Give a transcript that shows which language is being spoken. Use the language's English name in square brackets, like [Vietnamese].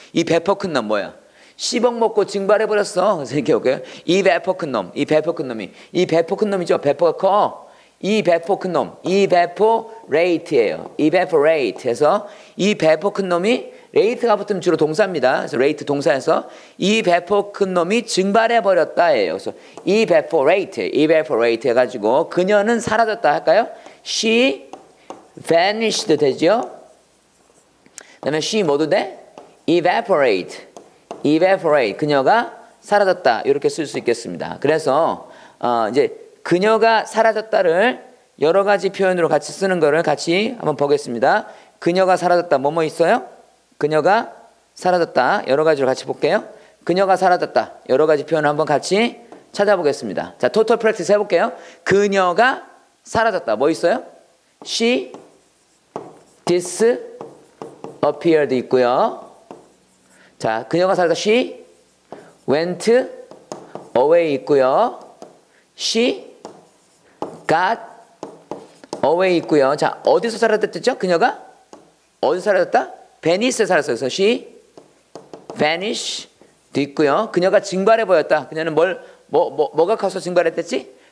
[Korean] 이 배포 큰 놈 뭐야? 10억 먹고 증발해버렸어. 생각해 볼게요. 이 배포 큰 놈. 이 배포 큰 놈이. 이 배포 큰 놈이죠. 배포가 커. 이 배포 큰 놈. Evaporate예요. Evaporate 해서 이 배포 큰 놈이 rate가 붙으면 주로 동사입니다. 그래서 rate 동사에서 이 배포 큰 놈이 증발해버렸다예요. 그래서 evaporate. Evaporate 해가지고 그녀는 사라졌다 할까요? [English] She vanished 되죠. [Korean] 그 다음에 she 뭐도 돼? [English] Evaporate. Evaporate. [Korean] 그녀가 사라졌다. 이렇게 쓸 수 있겠습니다. 그래서 이제 그녀가 사라졌다를 여러 가지 표현으로 같이 쓰는 거를 같이 한번 보겠습니다. 그녀가 사라졌다. 뭐뭐 있어요? 그녀가 사라졌다. 여러 가지로 같이 볼게요. 그녀가 사라졌다. 여러 가지 표현을 한번 같이 찾아보겠습니다. 자, 토탈 프랙티스 해볼게요. 그녀가 사라졌다. 뭐 있어요? [English] She disappeared [Korean] 있고요. 자, 그녀가 사라졌다. [English] She went away [Korean] 있고요. [English] She got away [Korean] 있고요. 자, 어디서 사라졌죠? 그녀가 어디서 사라졌다? 베니스에 살았어요. 그래서 [English] she vanished [Korean] 도 있고요. 그녀가 증발해 보였다. 그녀는 뭐가 커서 증발했댔지?